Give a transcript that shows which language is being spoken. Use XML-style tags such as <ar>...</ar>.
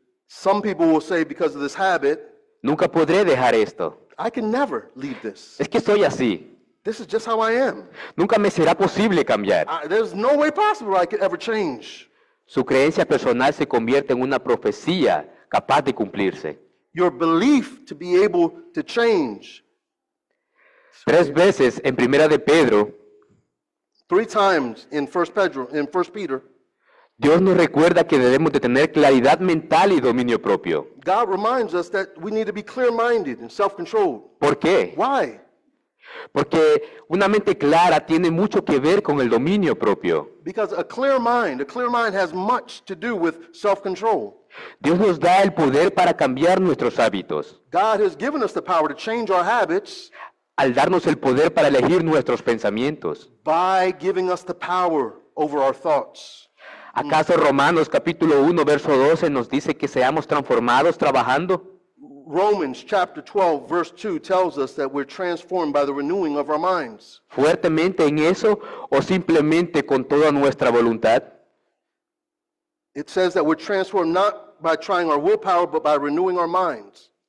<en>some people will say because of this habit,</en> <es>nunca podré dejar esto.</es> <en>I can never leave this.</en> <es>Es que soy así.</es> <en>This is just how I am.</en> <es>Nunca me será posible cambiar.</es> <en>There's no way possible I could ever change.</en> <es>Su creencia personal se convierte en una profecía capaz de cumplirse.</es> <en>Your belief to be able to change.</en> <es>Tres veces en Primera de Pedro.</es> <en>Three times in First Peter.</en> <es>Dios nos recuerda que debemos de tener claridad mental y dominio propio.</es> <en>God reminds us that we need to be clear-minded and self-controlled.</en> <es>¿Por qué?</es> <en>Why?</en> <es>Porque una mente clara tiene mucho que ver con el dominio propio.</es> <en>Because a clear mind has much to do with self-control.</en> <es>Dios nos da el poder para cambiar nuestros hábitos.</es> <en>God has given us the power to change our habits.</en> <es>Al darnos el poder para elegir nuestros pensamientos.</es> <en>By giving us the power over our thoughts.</en> <es>¿Acaso Romanos capítulo 1 verso 12 nos dice que seamos transformados trabajando?</es> <en>Romans chapter 12 verse 2 tells us that we're transformed by the renewing of our minds.</en> <es>¿Fuertemente en eso o simplemente con toda nuestra voluntad?</es> <en>It says that we're transformed not by trying our willpower, but by renewing our minds.</en>